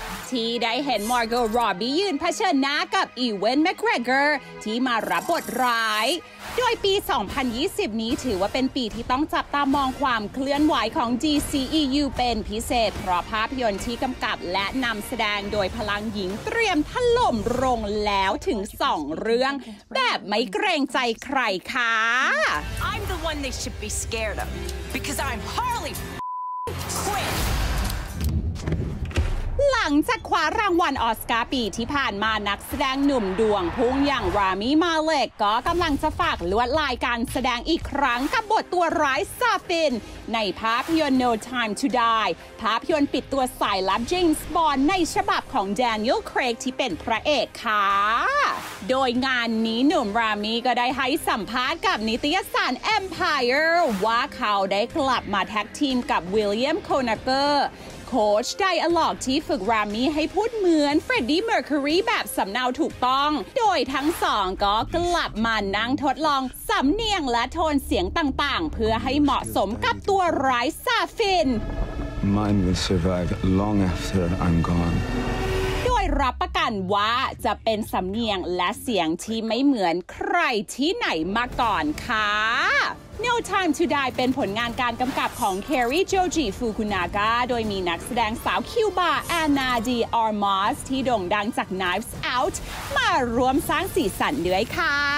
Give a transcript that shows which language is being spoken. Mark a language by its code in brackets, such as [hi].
[th] ที่ได้เห็น Margot Robbie ยืนเผชิญหน้ากับ Ewan McGregor ที่มารับบทร้ายโดยปี2020นี้ถือว่าเป็นปีที่ต้องจับตามองความเคลื่อนไหวของ DCEU เป็นพิเศษเพราะภาพยนตร์ที่กำกับและนำแสดงโดยพลังหญิงเตรียมถล่มลงแล้วถึง2เรื่องแบบไม่เกรงใจใครค่ะ [en] I'm the one they should be scared of because I'm Harley Quinn [th] หลังจากคว้ารางวัลออสการ์ปีที่ผ่านมานักแสดงหนุ่มดวงพุ่งอย่างรามีมาเล็กก็กำลังจะฝากลวดลายการแสดงอีกครั้งกับบทตัวร้ายซาฟินในภาพยนตร์ No Time to Die ภาพยนตร์ปิดตัวสายลับเจมส์บอนด์ในฉบับของแดเนียลครีกที่เป็นพระเอกค่ะ โดยงานนี้หนุ่มรามีก็ได้ให้สัมภาษณ์กับนิตยสาร Empire ว่าเขาได้กลับมาแท็กทีมกับวิลเลียมโคนาเกอร์โค้ชไดอะล็อกที่ฝึกรามีให้พูดเหมือนเฟรดดี้เมอร์คิวรีแบบสำเนาถูกต้องโดยทั้งสองก็กลับมานั่งทดลองสำเนียงและโทนเสียงต่างๆเพื่อให้เหมาะสมกับตัวร้ายซาฟิน [en] Mine will survive long after I'm gone. [th] รับประกันว่าจะเป็นสำเนียงและเสียงที่ไม่เหมือนใครที่ไหนมาก่อนค่ะ No Time to Die เป็นผลงานการกำกับของ Kerry Joji Fukunaga โดยมีนักแสดงสาวคิวบา Anna De Armas ที่โด่งดังจาก Knives Out มาร่วมสร้างสีสันด้วยค่ะ